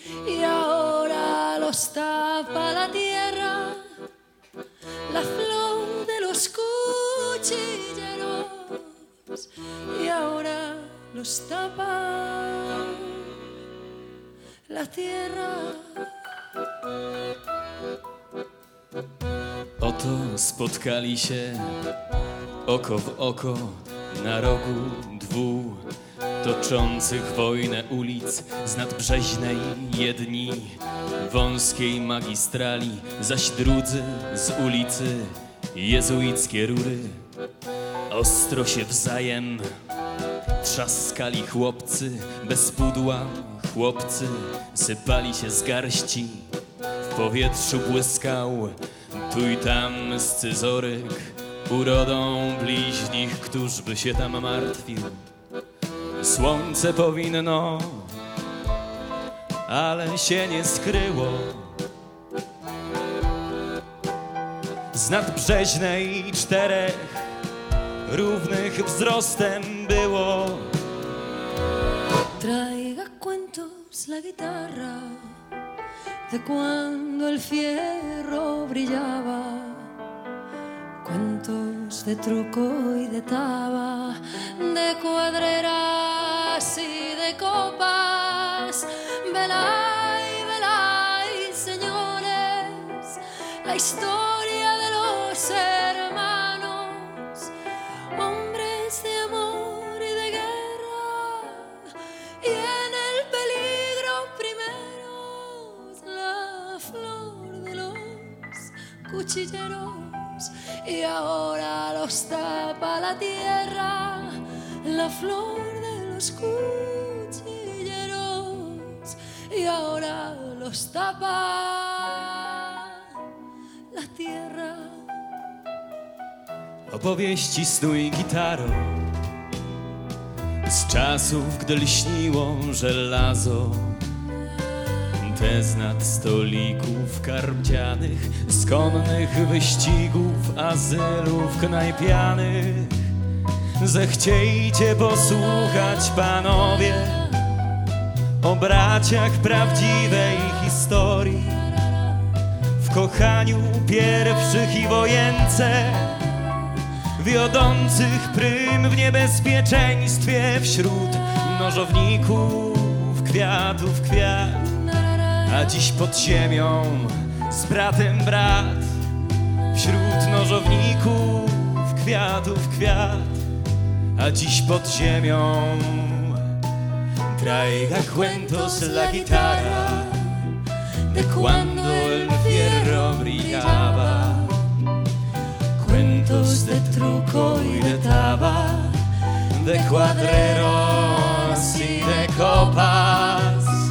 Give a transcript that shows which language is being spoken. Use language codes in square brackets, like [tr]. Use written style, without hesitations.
[es] Y ahora los tapa la tierra, la flor de los cuchilleros. Y ahora los tapa la tierra. [pl] Oto spotkali się oko w oko na rogu dwóch toczących wojnę ulic z nadbrzeźnej, jedni wąskiej magistrali, zaś drudzy z ulicy jezuickie rury. Ostro się wzajem trzaskali chłopcy bez pudła, chłopcy sypali się z garści. W powietrzu błyskał tu i tam scyzoryk urodą bliźnich, któż by się tam martwił. Słońce powinno, ale się nie skryło. Z nadbrzeźnej czterech równych wzrostem było. [es] Traiga cuentos la guitarra de cuando el fierro brillaba, cuentos de truco y de taba, de cuadreras y de copas. Velay, velay, señores, la historia de los hermanos, hombres de amor y de guerra, y en el peligro primero la flor de los cuchilleros. Y ahora los tapa la tierra, la flor de los cuchilleros. Y ahora los tapa la tierra. [pl] Opowieści snuj gitaro z czasów, gdy lśniło żelazo. Te z nad stolików karmdzianych, z konnych wyścigów, azylów knajpianych. Zechciejcie posłuchać, panowie, o braciach prawdziwej historii, w kochaniu pierwszych i wojence, wiodących prym w niebezpieczeństwie, wśród nożowników, kwiatów kwiat. A dziś pod ziemią z bratem brat, wśród nożowników kwiatów kwiat. A dziś pod ziemią [es] traiga cuentos la guitarra de cuando el fierro brillaba, cuentos de truco y de taba, de cuadreros y de copas.